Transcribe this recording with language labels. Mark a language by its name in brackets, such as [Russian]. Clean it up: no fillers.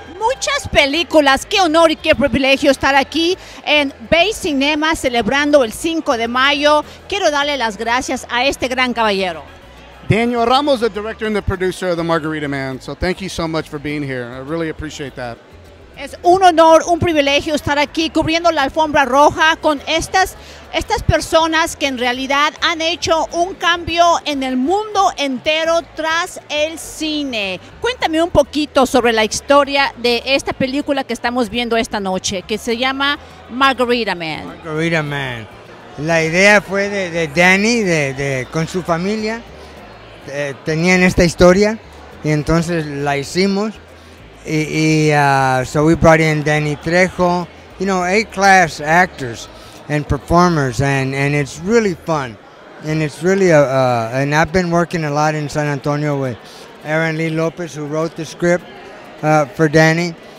[Spanish] Muchas películas, qué honor y qué privilegio estar aquí en Bay Cinema celebrando el 5 de mayo. Quiero darle las gracias a este gran caballero. [English] Daniel Ramos, the director and the producer of The Margarita Man. So thank you so much for being here. I really appreciate that. [Spanish] Es un honor, un privilegio estar aquí cubriendo la alfombra roja con estas personas que en realidad han hecho un cambio en el mundo entero tras el cine. Cuéntame un poquito sobre la historia de esta película que estamos viendo esta noche, que se llama Margarita Man. Margarita Man. La idea fue de Danny, de con su familia, tenían esta historia y entonces la hicimos. [English] So we brought in Danny Trejo, you know, A-class actors and performers, and it's really fun. And it's really, and I've been working a lot in San Antonio with Aaron Lee Lopez, who wrote the script for Danny.